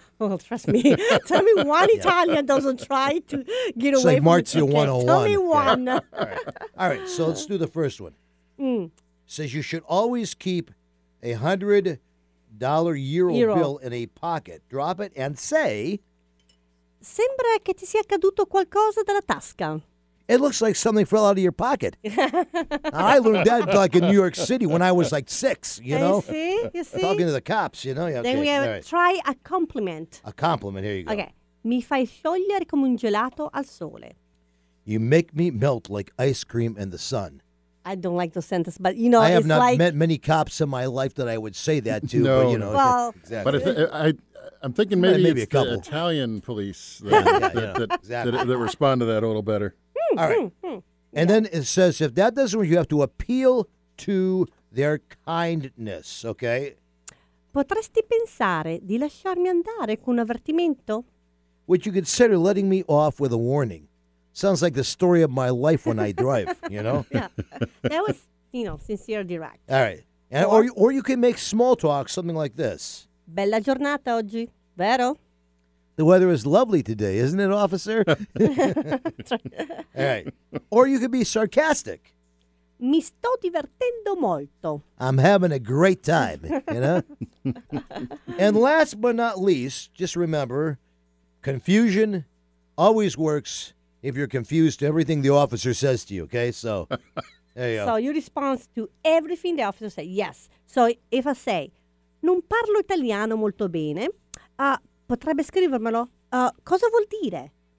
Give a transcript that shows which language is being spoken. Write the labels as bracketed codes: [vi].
[en] Well, trust me. Tell me one Italian doesn't try to get it's away like from it. It's like Marzio 101. Tell me one. All right. So let's do the first one. Says you should always keep $100 bill in a pocket. Drop it and say, [it] sembra che ti sia caduto qualcosa dalla tasca. [en] It looks like something fell out of your pocket. I learned that like in New York City when I was like 6, you know? You see? Talking to the cops, you know? Yeah, then okay, we have right. Try a compliment. A compliment, here you go. Okay. [it] Mi fai sciogliere come un gelato al sole. [en] You make me melt like ice cream in the sun. I don't like those sentences, but you know, I have it's not like... met many cops in my life that I would say that to. No, but, you know, well, exactly. But I'm thinking maybe it's a couple. The Italian police that respond to that a little better. All right. And then it says, if that doesn't work, you have to appeal to their kindness, okay? [it] Potresti pensare di lasciarmi andare con un avvertimento? [en] Would you consider letting me off with a warning? Sounds like the story of my life when I drive, you know? Yeah, that was, you know, sincere, direct. All right. And, or you can make small talk, something like this. [it] Bella giornata oggi, vero? [en] The weather is lovely today, isn't it, officer? All right. Or you could be sarcastic. [it] Mi sto divertendo molto. [en] I'm having a great time, you know? And last but not least, just remember, confusion always works if you're confused to everything the officer says to you, okay? So, there you go. So, your response to everything the officer says, yes. So, if I say, [it] non parlo italiano molto bene, potrebbe scrivermelo, cosa vuol dire?